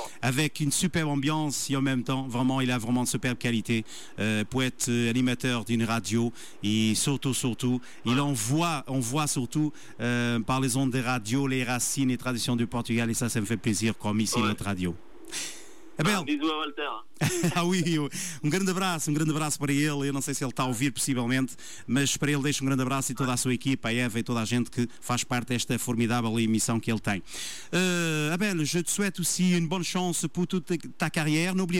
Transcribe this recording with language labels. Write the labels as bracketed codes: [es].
[fr] Avec une superbe ambiance et en même temps, vraiment, il a vraiment de superbe qualité pour être animateur d'une radio. Et surtout, il envoie surtout par les ondes des radios les racines et traditions du Portugal. Et ça me fait plaisir, comme ici, notre radio. Abel. Bisous à Walter. [pt] Ah oui, um grande abraço para ele. Eu não sei se ele está a ouvir possivelmente, mas para ele deixo um grande abraço e toda a sua equipa, a Eva e toda a gente que faz parte desta formidável emissão que ele tem. [fr] Abel, je te souhaite aussi une bonne chance pour toute ta carrière.